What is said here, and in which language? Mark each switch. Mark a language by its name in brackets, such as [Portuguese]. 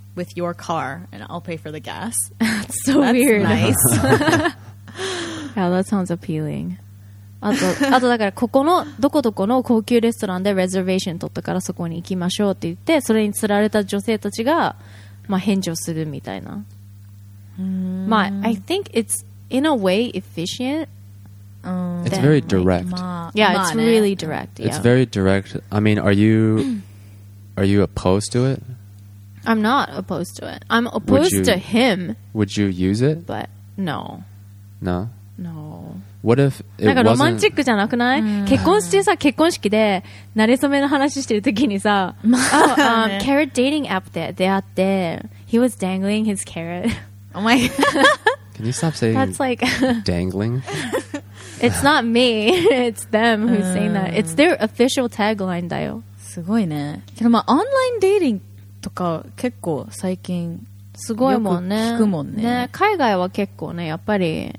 [English] With your car, and I'll pay for the gas. That's so weird. That's nice. Yeah, that sounds appealing. [Japanese] あと、あとだから、ここの、どこどこの高級レストランでレゼベーション取ったからそこに行きましょうって言って、それに釣られた女性たちが、まあ、返事をするみたいな。 [English] まあ、I think it's, in a way, efficient. It's very direct. Yeah, it's really direct. It's very direct. I mean, are you opposed to it? I'm not opposed to it. I'm opposed to him. Would you use it? But, no. No? No. What if it [Japanese] なんかロマンチックじゃなくない、うん、結婚してさ結婚式で馴れ初めの話してる時にさ、まあね、あ、 [English] carrot dating app [Japanese] で出会って [English] He was dangling his carrot Oh my god Can you stop saying That's like dangling? It's not me It's them who's saying that It's their official tagline だよ [Japanese] すごいねでもまあオンラインデーティングとか結構最近すごいもんね。よく聞くもんね。ね、海外は結構ね、やっぱり。